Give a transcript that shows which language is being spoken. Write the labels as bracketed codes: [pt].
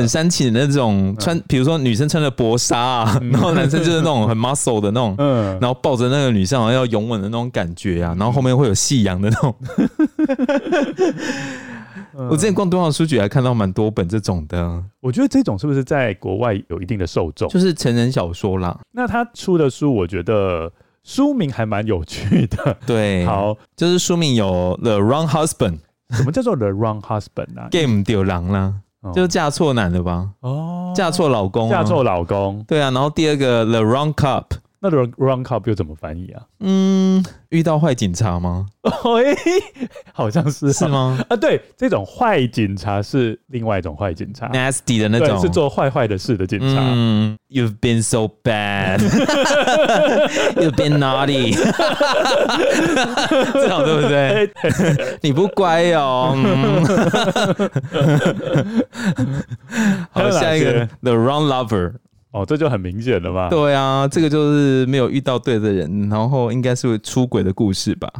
[zh] 很煽情的那种穿，比、嗯、如说女生穿着薄纱、啊嗯、然后男生就是那种很 muscle 的那种、嗯、然后抱着那个女生好像要拥吻的那种感觉啊，然后后面会有夕阳的那种、嗯、我之前逛敦煌书局还看到蛮多本这种的。我觉得这种是不是在国外有一定的受众，就是成人小说啦。那他出的书我觉得书名还蛮有趣的，对，好，就是书名有 The Wrong Husband。什么叫做 The Wrong Husband 啊？ Game 丢狼啦、哦、就是嫁错男了吧，哦，嫁错老公、啊、嫁错老公，对啊。然后第二个 The Wrong Cup，那 The Wrong Cup 又怎么翻译啊？嗯，遇到坏警察吗？哎、哦欸，好像是、啊、是吗？啊，对，这种坏警察是另外一种坏警察， Nasty 的那种，是做坏坏的事的警察。嗯， [en] You've been so bad. You've been naughty. [zh] 这种对不对？你不乖哦。好，下一个 The Wrong Lover。哦，这就很明显了吧？对啊，这个就是没有遇到对的人，然后应该是出轨的故事吧？